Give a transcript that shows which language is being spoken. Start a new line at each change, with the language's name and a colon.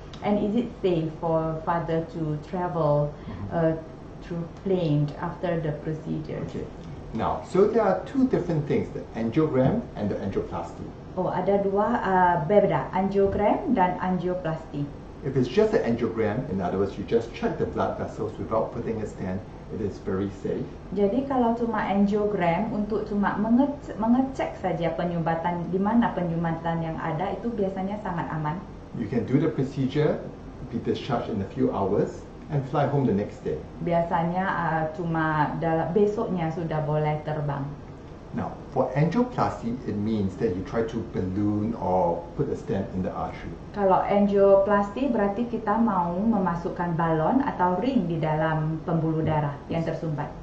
English: And is it safe for father to travel through plane after the procedure? Okay. Now, so there are two different things, the angiogram and the angioplasty.
Indonesian: Oh, ada dua berbeda, angiogram dan angioplasty.
English: If it's just an angiogram, in other words, you just check the blood vessels without putting a stent, it is very safe.
Indonesian: Jadi kalau cuma angiogram untuk cuma mengecek saja penyumbatan di mana penyumbatan yang ada itu biasanya sangat aman.
English: You can do the procedure, be discharged in a few hours, and fly home the next day.
Indonesian: Biasanya cuma besoknya sudah boleh terbang.
English: Now, for angioplasty, it means that you try to balloon or put a stent in the artery.
Indonesian: Kalau angioplasty, berarti kita mau memasukkan balon atau ring di dalam pembuluh darah yang tersumbat.